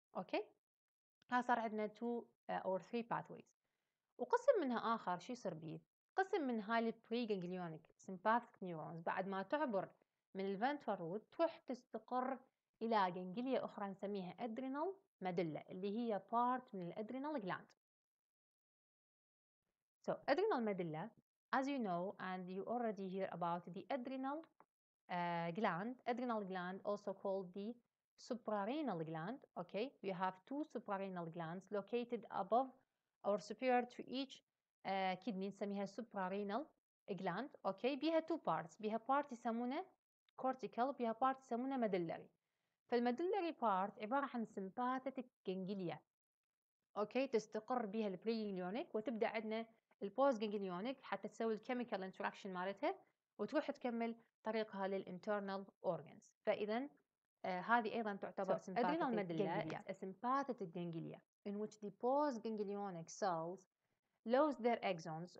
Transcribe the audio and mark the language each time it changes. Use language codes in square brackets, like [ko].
[ar] أوكي ها صار عندنا [en] 2 or 3 pathways. [ar] وقسم منها آخر شو يصير بيه؟ قسم من هاي preganglionic sympathetic neurons بعد ما تعبر من الventral root تروح تستقر إلى جنجلية أخرى نسميها adrenal medulla اللي هي part من adrenal gland. [en] So adrenal medulla as you know and you already hear about the adrenal gland. Adrenal gland also called the suprarenal gland. Okay, we have two suprarenal glands located above or superior to each kidney. نسميها suprarenal gland. Okay, بها two parts. [ar] بها part يسمونه cortical. بها part يسمونه medullary. فالmedullary part عبارة عن sympathetic ganglia. Okay, تستقر بها preganglionic وتبدأ عندنا postganglionic حتى تسوي chemical interaction مالتها وتروح تكمل طريقها للinternal organs. فإذا هذه ايضا تعتبر [en] adrenal medulla is sympathetic ganglia in which the postganglionic cells lose their axons.